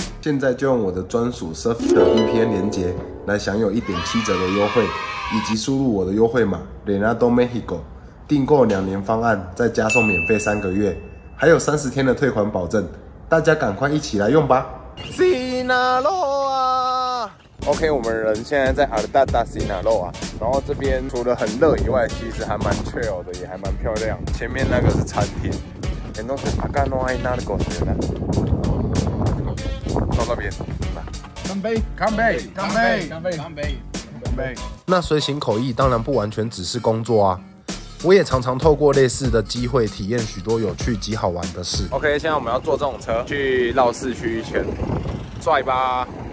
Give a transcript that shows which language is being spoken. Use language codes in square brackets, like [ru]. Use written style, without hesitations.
[zh] 现在就用我的专属 Surfer VPN 连接来享有 1.7折的优惠，以及输入我的优惠码 Renato Mexico， 订购两年方案再加送免费3个月，还有30天的退款保证，大家赶快一起来用吧！ Sinaloa。 OK， 我们人现在在阿尔达达西纳洛啊，然后这边除了很热以外，其实还蛮 [en] chill [zh] 的，也还蛮漂亮。前面那个是餐厅。 [es] Entonces acá no hay nada que hacer. [zh] 到那边，来，干杯！干杯！干杯！干杯！干杯！干杯！那随行口译当然不完全只是工作啊，我也常常透过类似的机会体验许多有趣及好玩的事。 OK， 现在我们要坐这种车去绕市区一圈，拽吧！